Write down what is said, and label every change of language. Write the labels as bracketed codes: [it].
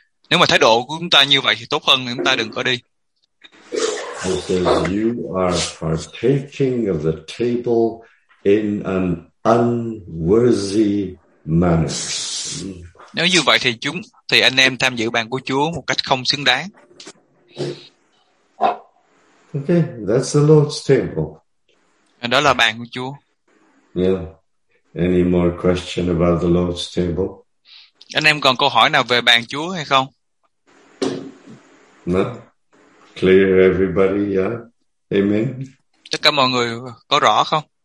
[vi] Nếu mà thái độ của chúng ta như vậy thì tốt hơn, chúng ta đừng có đi. [en] Because you are partaking of the table in an unworthy manner. [vi] Nếu như vậy thì anh em tham dự bàn của Chúa một cách không xứng đáng. [en] Okay, that's the Lord's table. [vi] Đó là bàn của Chúa. [en] Yeah. Any more question about the Lord's table? [vi] Anh em còn câu hỏi nào về bàn Chúa hay không? [en] No. Clear everybody, yeah? Amen. [vi] Tất cả mọi người có rõ không?